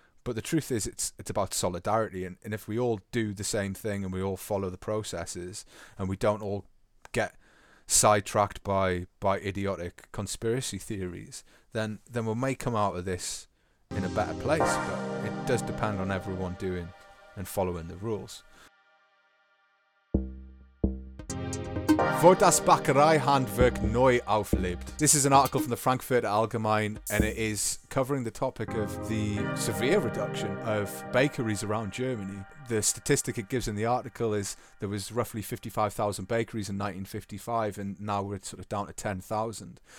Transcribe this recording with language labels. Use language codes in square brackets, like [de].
[en] But the truth is it's about solidarity. And if we all do the same thing and we all follow the processes and we don't all get sidetracked by idiotic conspiracy theories, then we may come out of this in a better place, but it does depend on everyone doing and following the rules. [de] Wo das Bäckereihandwerk neu auflebt. [en] This is an article from the Frankfurter Allgemeine, and it is covering the topic of the severe reduction of bakeries around Germany. The statistic it gives in the article is there was roughly 55,000 bakeries in 1955, and now we're sort of down to 10,000.